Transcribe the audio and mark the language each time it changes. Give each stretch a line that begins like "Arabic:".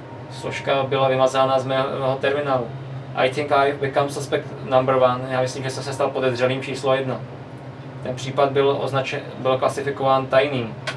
Czech: Složka byla vymazána z mého terminálu.
English: I think I become suspect number one.
Czech: Já myslím, že jsem se stal podezřelým číslo jedna. Ten případ byl označen, byl klasifikován tajným.